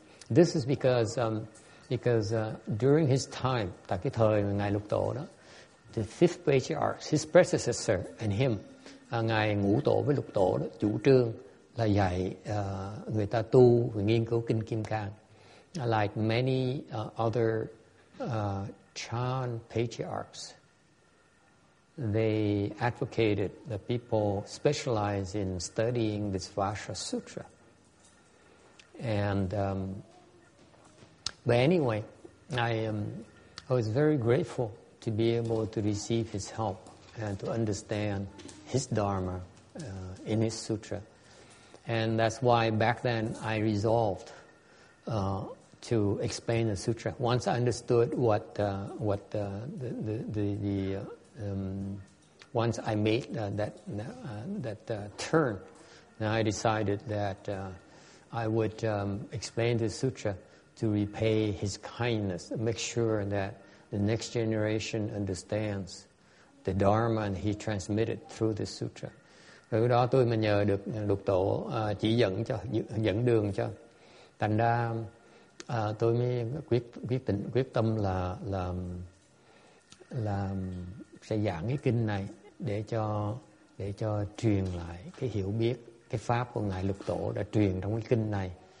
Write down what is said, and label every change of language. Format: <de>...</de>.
<en>This is because during his time,</en> <vi>tại cái thời ngài lục tổ đó,</vi> <en>the fifth patriarch, his predecessor and him,</en> <vi>ngài ngũ tổ với lục tổ đó, chủ trương là dạy người ta tu và nghiên cứu kinh Kim Cang.</vi> <en>Like many other Chan patriarchs, they advocated that people specialize in studying this Vajra Sutra. And but anyway, I was very grateful to be able to receive his help and to understand his dharma in his sutra. And that's why back then I resolved to explain the sutra. Once I understood once I made that turn, then I decided that I would explain the sutra to repay his kindness, make sure that the next generation understands the Dharma and he transmitted through this sutra.</en> <vi>Rồi đó tôi mà nhờ được lục tổ chỉ dẫn cho dẫn đường cho. Thành ra tôi mới quyết tâm là sẽ giảng cái kinh này để cho truyền lại cái hiểu biết cái pháp của ngài lục tổ đã truyền trong cái kinh này.</vi>